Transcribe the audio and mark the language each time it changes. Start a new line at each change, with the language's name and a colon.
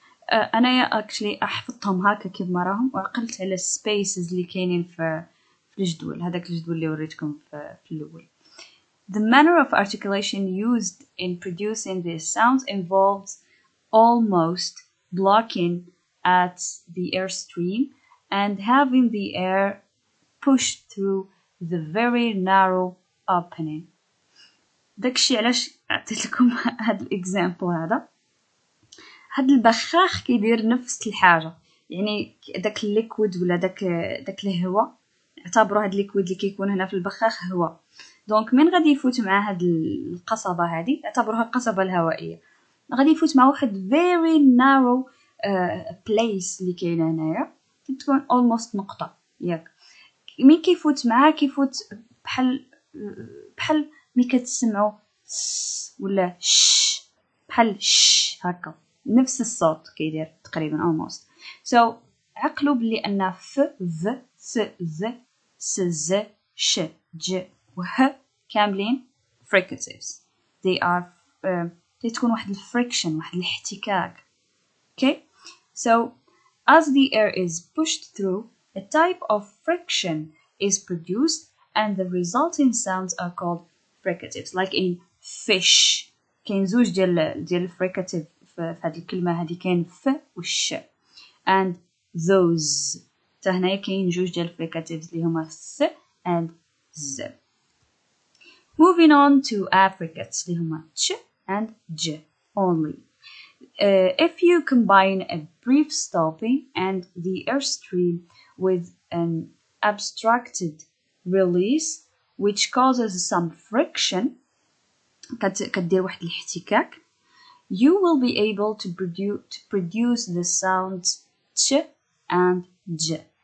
Arabic: أنا actually أحفظتهم هكا كيف ما راهم وعقلت على spaces اللي كاينين في الجدول هذاك الجدول اللي وريتكم في الأول.
English: The manner of articulation used in producing these sounds involves almost blocking at the airstream and having the air pushed through the very narrow opening.
Arabic: داك الشيء علاش عطيت لكم هذا الإكزامبل هذا. هاد البخاخ كيدير نفس الحاجة, يعني داك الليكويد ولا داك الهواء, اعتبروا هاد الليكويد اللي كيكون هنا في البخاخ هواء. دونك من غادي يفوت مع هاد القصبة هادي, اعتبروها قصبة الهوائية, غادي يفوت مع واحد
English: very narrow place
Arabic: اللي كاين هنايا, كتكون almost نقطة ياك. مين كيفوت معاه كيفوت بحال مين كتسمعوا ولا ش بحال ش هكا نفس الصوت كيدير تقريبا almost. So عقلوا بلي ان ف ذ س ذ س ز ش ج و ه كاملين fricatives.
English: They are they
Arabic: تكون واحد الفريكشن واحد الاحتكاك.
English: Okay, so as the air is pushed through, a type of friction is produced and the resulting sounds are called fricatives. Like in fish,
Arabic: كاين زوج ديال fricative في هذه الكلمة, هذه كاين ف والش,
English: and those.
Arabic: تهنا كاين جوج ديال الفريكاتيفز اللي هما س and ز.
English: Moving on to affricates
Arabic: اللي هما
English: ش and ج only. If you combine a brief stopping and the airstream with an abstracted release which causes some friction,
Arabic: كدير واحد الاحتكاك,
English: you will be able to produce the sounds ch and j.